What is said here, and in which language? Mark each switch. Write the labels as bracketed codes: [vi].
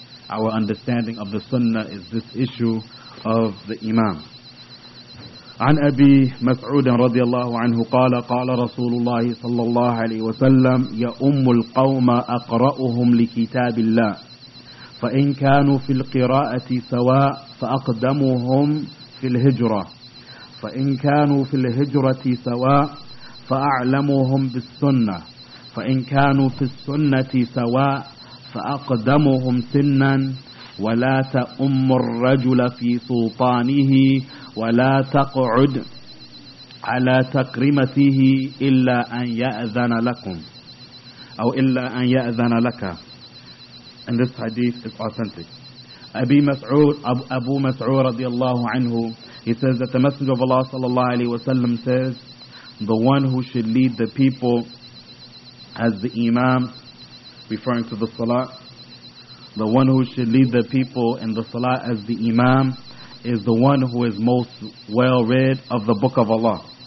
[en] Our understanding of the Sunnah is this issue of the Imam. [ar] عن أبي مسعود رضي الله عنه قال قال رسول الله صلى الله عليه وسلم يأم القوم أقرأهم لكتاب الله فإن كانوا في القراءة سواء فأقدمهم في الهجرة فإن كانوا في الهجرة سواء فأعلمهم بالسنة فإن كانوا في السنة سواء فأقدمهم سنا ولا تأم الرجل في سلطانه ولا تقعد على تكريمته إلا أن يأذن لكم أو إلا أن يأذن لك. [en] And this hadith is authentic. Abu Mas'ud [ar] رضي الله عنه, [en] he says that the Messenger of Allah [ar] صلى الله عليه وسلم [en] says, the one who should lead the people as the imam, referring to the salah, the one who should lead the people in the salah as the imam is the one who is most well read of the book of Allah.